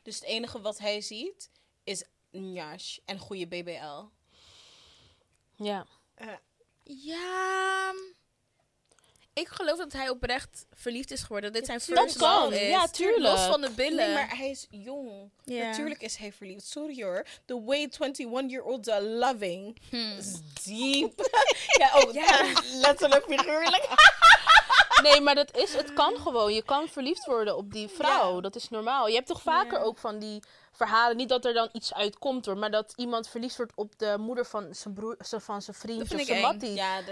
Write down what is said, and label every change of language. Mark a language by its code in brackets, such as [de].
[nl] Dus het enige wat hij ziet is Njash en goede BBL. Ja. Ja... Ik geloof dat hij oprecht verliefd is geworden. Dit zijn [en] first love. [nl] Dat kan, ja, tuurlijk. Los van de billen. Nee, maar hij is jong. Yeah. Natuurlijk is hij verliefd. Sorry hoor. [en] The way 21-year-olds are loving is deep. [nl] Ja, oh, ja. Letterlijk figuurlijk. Nee, maar dat is, het kan gewoon. Je kan verliefd worden op die vrouw. Yeah. Dat is normaal. Je hebt toch vaker ook van die verhalen. Niet dat er dan iets uitkomt hoor. Maar dat iemand verliefd wordt op de moeder van zijn broer, van zijn vriend of zijn mattie. Ja,